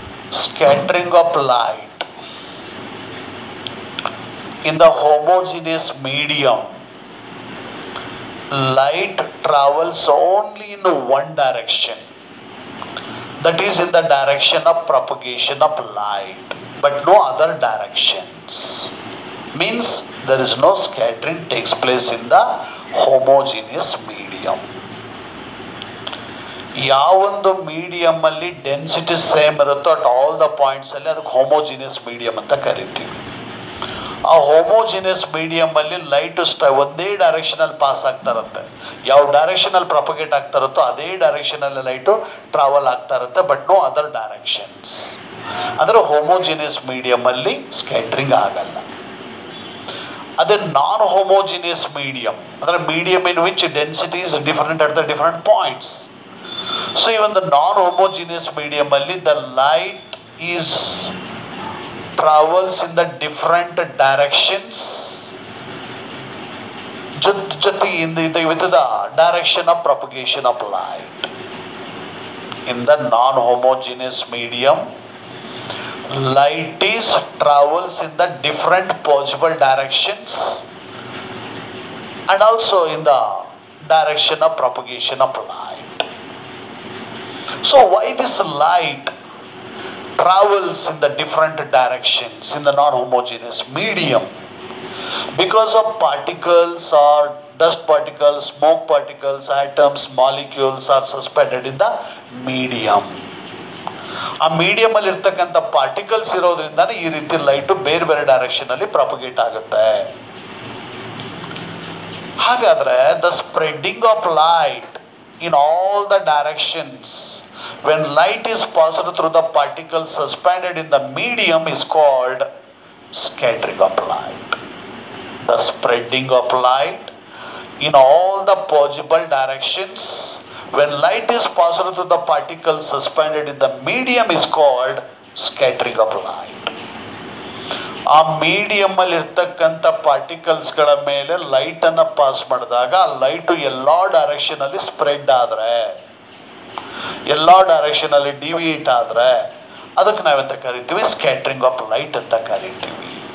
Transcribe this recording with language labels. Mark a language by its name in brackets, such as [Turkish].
[English] scattering of light in the homogeneous medium, light travels only in one direction, that is in the direction of propagation of light, but no other directions. Means there is no scattering takes place in the homogeneous medium. [Kannada] ಯಾವೊಂದು medium ಅಲ್ಲಿ density same ಇರುತ್ತೋ [English] at all the points [Kannada] ಅಲ್ಲಿ ಅದಕ್ಕೆ homogeneous medium ಅಂತ ಕರಿತೀವಿ. ಆ homogeneous medium ಅಲ್ಲಿ light ಒಂದೇ ಡೈರೆಕ್ಷನ್ ಅಲ್ಲಿ ಪಾಸ್ ಆಗ್ತಾ ಇರುತ್ತೆ. ಯಾವ ಡೈರೆಕ್ಷನ್ ಅಲ್ಲಿ ಪ್ರಪಗೇಟ್ ಆಗ್ತಾ ಇರುತ್ತೋ ಅದೇ ಡೈರೆಕ್ಷನ್ ಅಲ್ಲಿ ಲೈಟು ಟ್ರಾವೆಲ್ ಆಗ್ತಾ ಇರುತ್ತೆ, [English] But no other directions. [Kannada] ಅಂದರೆ ಹೋಮೋಜಿನಿಯಸ್ ಮೀಡಿಯಂ ಅಲ್ಲಿ ಸ್ಕ್ಯಾಟ್ರಿಂಗ್ ಆಗಲ್ಲ. ಅದೇ ನಾನ್ ಹೋಮೋಜಿನಿಯಸ್ ಮೀಡಿಯಂ ಅಂದರೆ [English] Medium in which density is different at the different points. So even the non-homogeneous medium only, the light is travels in the different directions with the direction of propagation of light. In the non-homogeneous medium, light is travels in the different possible directions and also in the direction of propagation of light. So why this light travels in the different directions in the non-homogeneous medium? Because of particles or dust particles, smoke particles, atoms, molecules are suspended in the medium. [Kannada] ಆ medium ಅಲ್ಲಿ ಇರ್ತಕ್ಕಂಥ particles ಇರೋದ್ರಿಂದಾನೆ ಈ ರೀತಿ light ಬೇರೆ ಬೇರೆ direction ಅಲ್ಲಿ propagate ಆಗುತ್ತೆ. [English] ಹಾಗಾದ್ರೆ the spreading of light in all the directions when light is passed through the particles suspended in the medium is called scattering of light. The spreading of light in all the possible directions when light is passed through the particles suspended in the medium is called scattering of light. [Kannada] ಆ medium ಅಲ್ಲಿ ಇರ್ತಕ್ಕಂಥ ಪಾರ್ಟಿಕಲ್ಸ್ಗಳ ಮೇಲೆ light ಅನ್ನು pass ಮಾಡಿದಾಗ ಆ light ಎಲ್ಲಾ direction ಅಲ್ಲಿ spread ಆದ್ರೆ, ಎಲ್ಲಾ ಡೈರೆಕ್ಷನ್ ಅಲ್ಲಿ ಡಿವಿಯೇಟ್ ಆದ್ರೆ ಅದಕ್ಕೆ ನಾವೆಂತ ಕರಿತೀವಿ, ಸ್ಕ್ಯಾಟರಿಂಗ್ ಆಫ್ ಲೈಟ್ ಅಂತ ಕರಿತೀವಿ.